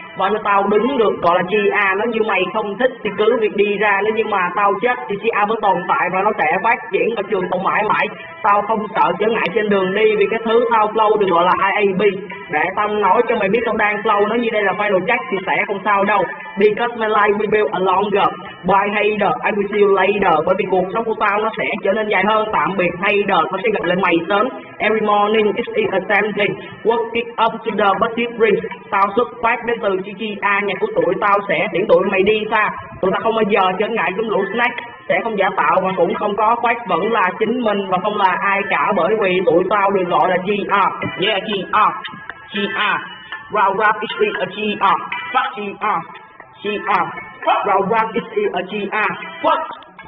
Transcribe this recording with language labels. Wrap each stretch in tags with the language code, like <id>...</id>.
<vi>Và nếu tao đứng được gọi là GA, nếu như mày không thích thì cứ việc đi ra, nếu như mà tao chết thì GA vẫn tồn tại và nó sẽ phát triển và trường tồn mãi mãi. Tao không sợ trở ngại trên đường đi vì cái thứ tao flow được gọi là IAB. Để tao nói cho mày biết tao đang flow, nếu như đây là final check thì sẽ không sao đâu.</vi> <en>Because my life will be a longer, bye hater, I will see you later.</en> <vi>Bởi vì cuộc sống của tao nó sẽ trở nên dài hơn. Tạm biệt hater, tao sẽ gặp lại mày sớm.</vi> <en>Every morning it is a same thing, work it up to the best it brings.</en> <vi>Tao xuất phát đến từ GGA, nhà của tụi tao sẽ tiễn tụi mày đi xa. Tụi tao không bao giờ trở ngại giống lũ snack, sẽ không giả tạo và cũng không có phát, vẫn là chính mình và không là ai cả. Bởi vì tụi tao được gọi là GA.</vi> <en>Yeah, GA, GA, round up it is a GA, fuck GA, GA, round up it is a GA, fuck.</en>